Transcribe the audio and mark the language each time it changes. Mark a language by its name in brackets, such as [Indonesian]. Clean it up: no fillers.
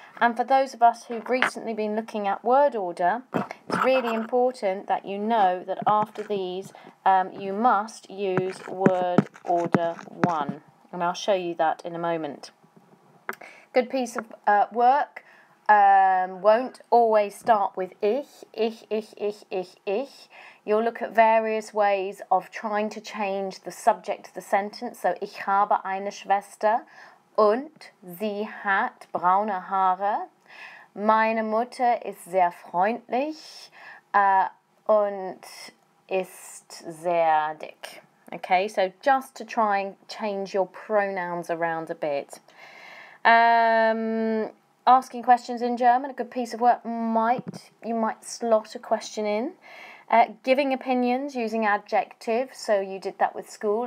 [English] And for those of us who've recently been looking at word order, it's really important that you know that after these, you must use word order one. And I'll show you that in a moment. Good piece of work. Won't always start with ich. You'll look at various ways of trying to change the subject of the sentence. [German] So ich habe eine Schwester und sie hat braune Haare. Meine Mutter ist sehr freundlich und ist sehr dick. [English] Okay, so just to try and change your pronouns around a bit. Asking questions in German, a good piece of work, you might slot a question in. Giving opinions using adjectives, so you did that with school.